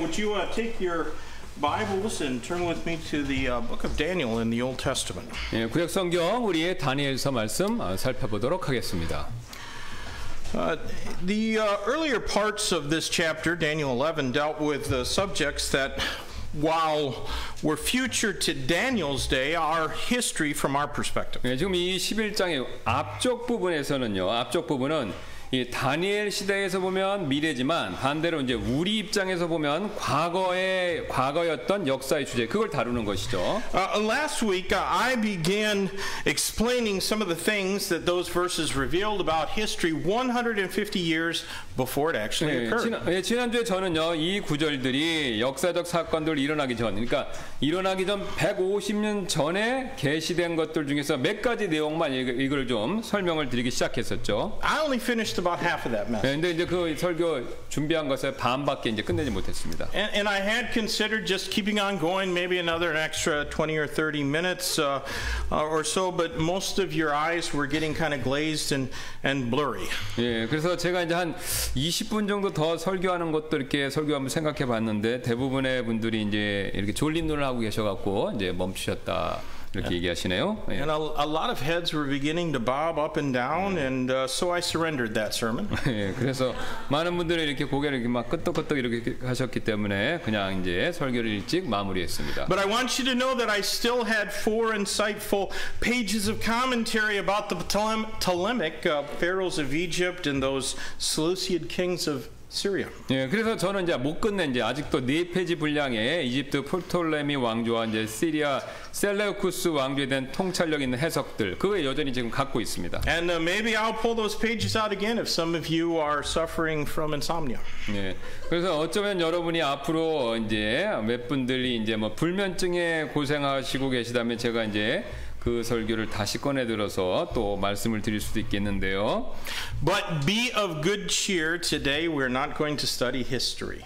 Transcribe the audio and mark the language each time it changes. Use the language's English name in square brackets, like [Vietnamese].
[English] Would you take your Bibles and turn with me to the book of Daniel in the Old Testament? [Korean] 예, 구약 성경 우리의 다니엘서 말씀 살펴보도록 하겠습니다. [English] The earlier parts of this chapter, Daniel 11, dealt with the subjects that, while were future to Daniel's day, are history from our perspective. [Korean] 예, 지금 이 11장의 앞쪽 부분에서는요, 앞쪽 부분은 이 다니엘 시대에서 보면 미래지만 반대로 이제 우리 입장에서 보면 과거의 과거였던 역사의 주제 그걸 다루는 것이죠. [English] Last week I began explaining some of the things that those verses revealed about history 150 years before it actually occurred. [Korean] 예, 지난주에 저는요 이 구절들이 역사적 사건들 일어나기 전, 그러니까 일어나기 전 150년 전에 계시된 것들 중에서 몇 가지 내용만 이걸 좀 설명을 드리기 시작했었죠. [English] I only finished about half of that message. [Korean] 네, 근데 이제 그 설교 준비한 것에 반밖에 이제 끝내지 못했습니다. [English] And I had considered just keeping on going maybe another an extra 20 or 30 minutes or so, but most of your eyes were getting kind of glazed and blurry. [Korean] 예, 그래서 제가 이제 한 20분 정도 더 설교하는 것도 이렇게 설교 한번 생각해 봤는데 대부분의 분들이 이제 이렇게 졸린 눈을 하고 계셔 갖고 이제 멈추셨다. 이렇게 얘기하시네요. [English] And a lot of heads were beginning to bob up and down, and so I surrendered that sermon. [Korean] 그래서 많은 분들이 이렇게 고개를 이렇게 막 끄덕끄덕 이렇게 하셨기 때문에 그냥 이제 설교를 일찍 마무리했습니다. [English] But I want you to know that I still had four insightful pages of commentary about the Ptolemaic pharaohs of Egypt and those Seleucid kings of Syria. [Korean] 예, 그래서 저는 이제 못 끝낸 이제 아직도 네 페이지 분량의 이집트 프톨레미 왕조와 이제 시리아 셀레우쿠스 왕조에 대한 통찰력 있는 해석들 그거 여전히 지금 갖고 있습니다. [English] And maybe I'll pull those pages out again if some of you are suffering from insomnia. [Korean] 예, 그래서 어쩌면 여러분이 앞으로 이제 몇 분들이 이제 뭐 불면증에 고생하시고 계시다면 제가 이제 그 설교를 다시 꺼내 들어서 또 말씀을 드릴 수도 있겠는데요. [English] But be of good cheer. Today we're not going to study history.